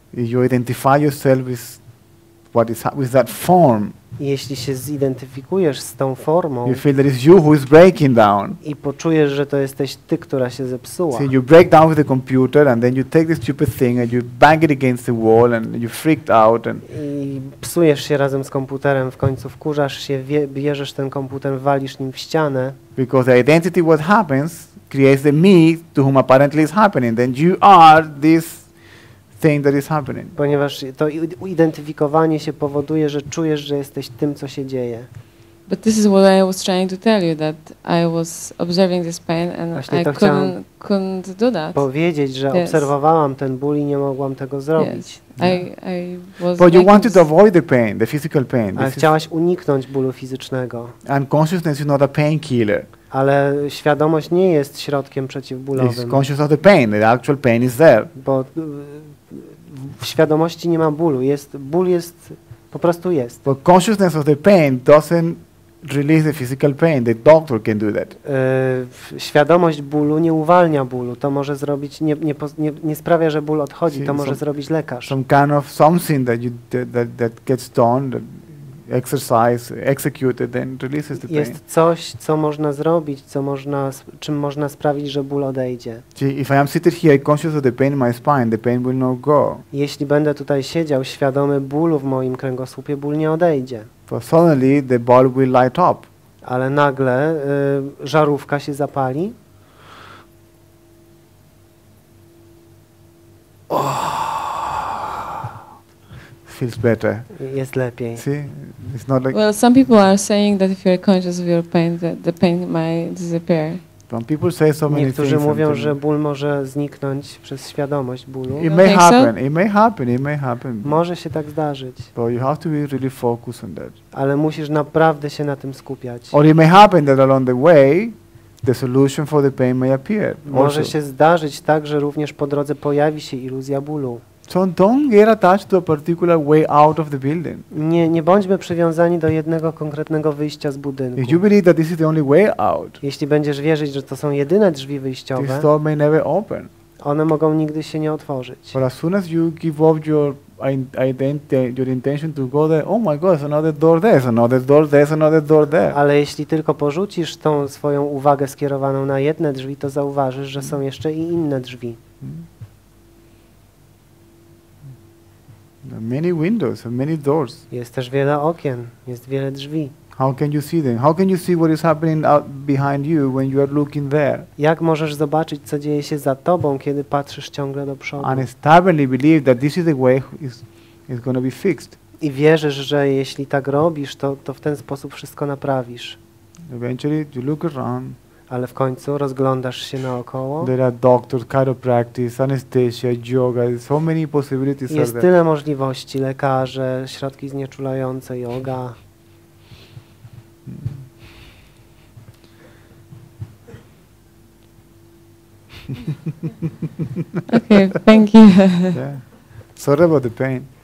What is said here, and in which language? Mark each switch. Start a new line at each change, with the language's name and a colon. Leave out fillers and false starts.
English: you identify yourself with what is with that form.
Polish: Jeśli się zidentyfikujesz z tą formą,
English: you feel that it's you who is breaking down.
Polish: I poczujesz, że to jesteś ty, która się zepsuła.
English: See, you break down with the computer and then you take this stupid thing and you bang it against the wall and you freaked out and
Polish: i psujesz się razem z komputerem, w końcu wkurzasz się, bierzesz ten komputer, walisz nim w ścianę.
English: Because the identity what happens creates the me to whom apparently is happening. Then you are this thing that is happening.
Polish: Ponieważ to identyfikowanie się powoduje, że czujesz, że jesteś tym, co się dzieje.
English: But this is what I was trying to tell you, that I was observing this pain and I couldn't do that.
Polish: Powiedzieć, że yes, obserwowałam ten ból i nie mogłam tego zrobić.
English: Yes. Yeah. But you wanted to avoid the pain, the physical pain.
Polish: Ale chciałaś uniknąć bólu fizycznego.
English: And consciousness is not a pain killer.
Polish: Ale świadomość nie jest środkiem przeciwbólowym.
English: It's conscious of the pain, the actual pain is there.
Polish: Bo w świadomości nie ma bólu, jest ból, jest po prostu jest.
English: But consciousness of the pain doesn't release the physical pain. The doctor can do that.
Polish: Świadomość bólu nie uwalnia bólu. To może zrobić nie sprawia, że ból odchodzi. See, to może zrobić lekarz.
English: Some kind of something that you that gets done, that exercise executed, then releases the
Polish: jest
English: pain.
Polish: Jest coś, co można zrobić, co można, czym można sprawić, że ból odejdzie.
English: See, if I am sitting here conscious of the pain in my spine, the pain will not go.
Polish: Jeśli będę tutaj siedział świadomy bólu w moim kręgosłupie, ból nie odejdzie.
English: But suddenly the bulb will light up.
Polish: Ale nagle żarówka się zapali. Oh.
English: Feels better.
Polish: Jest lepiej.
English: See? It's not like well, some people are saying that if you're conscious of your pain, that the pain might disappear. Some people say so many
Polish: niektórzy mówią, że ból może zniknąć przez świadomość bólu.
English: It may happen. So? It may happen.
Polish: Może się tak zdarzyć.
English: But you have to be really focused on that.
Polish: Ale musisz naprawdę się na tym skupiać.
English: Or it may happen that along the way the solution for the pain may appear.
Polish: Może
English: also
Polish: się zdarzyć tak, że również po drodze pojawi się iluzja bólu.
English: So don't get attached to a particular way out of the building.
Polish: Nie bądźmy przywiązani do jednego konkretnego wyjścia z budynku.
English: If you believe that this is the only way out,
Polish: jeśli będziesz wierzyć, że to są jedyne drzwi wyjściowe,
English: this door may never open.
Polish: One mogą nigdy się nie otworzyć.
English: But as soon as you give up your your intention to go there, oh my God, there's another door there, there's another door there, there's another door there.
Polish: Ale jeśli tylko porzucisz tą swoją uwagę skierowaną na jedne drzwi, to zauważysz, że są jeszcze i inne drzwi.
English: Many windows, many doors.
Polish: Jest też wiele okien, jest wiele drzwi.
English: How can you see them? How can you see what is happening out behind you when you are looking there?
Polish: Jak możesz zobaczyć, co dzieje się za tobą, kiedy patrzysz ciągle do przodu?
English: And stubbornly believe that this is the way is going to be fixed.
Polish: I wierzysz, że jeśli tak robisz, to w ten sposób wszystko naprawisz.
English: Eventually you look around.
Polish: Ale w końcu rozglądasz się naokoło.
English: There are doctors, chiropractic, anesthesia, yoga, so many possibilities.
Polish: Jest tyle możliwości, lekarze, środki znieczulające, yoga.
English: Okay, thank you. Yeah. Sorry about the pain.